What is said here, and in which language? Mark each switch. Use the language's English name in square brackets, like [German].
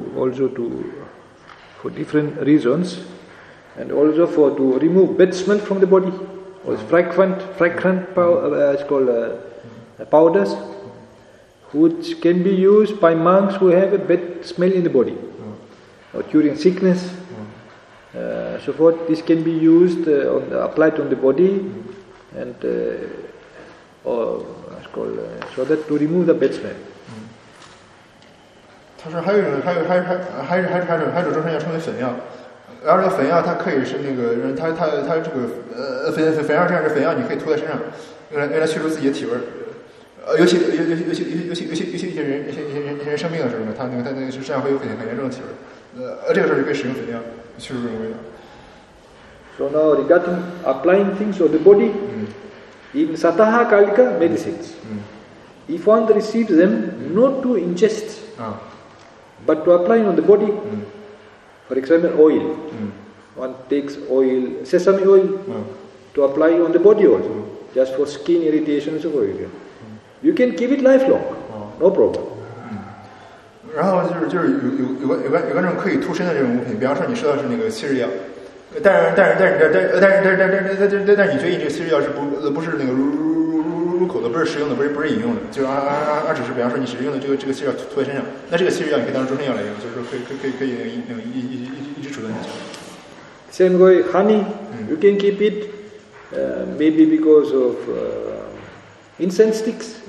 [English] For different reasons, and also to remove bad smell from the body, or fragrant powders, which can be used by monks who have a bad smell in the body, or during sickness, so forth. This can be used applied on the body, and so that to remove the bad smell. [Chinese] 他说还有一种还有一种终身药称为粉药，然后这个粉药它可以是那个人他这个粉药这样的粉药你可以涂在身上，用来去除自己的体味，尤其一些人生病的时候呢，他那个身上会有很严重的体味，这个时候就可以使用粉药去除这种味道。 [English] So now regarding applying things on the body, in sataha kalika medicines, if one receives them, not to ingest. But to apply on the body, for example, oil, one takes oil, sesame oil, to apply on the body also, just for skin irritation, so for example. You can keep it lifelong, no problem. [Chinese] 然后就是有关这种可以脱身的这种物品，比方说你说的是那个七日药，但你觉得你这个七日药是不是那个入口的，不是食用的，不是饮用的，就而只是比方说你只是用的这个七日药涂在身上，那这个七日药你可以当终身药来用，就是说可以一直储存下去。 [English] Same way, honey, you can keep it, maybe because of incense sticks,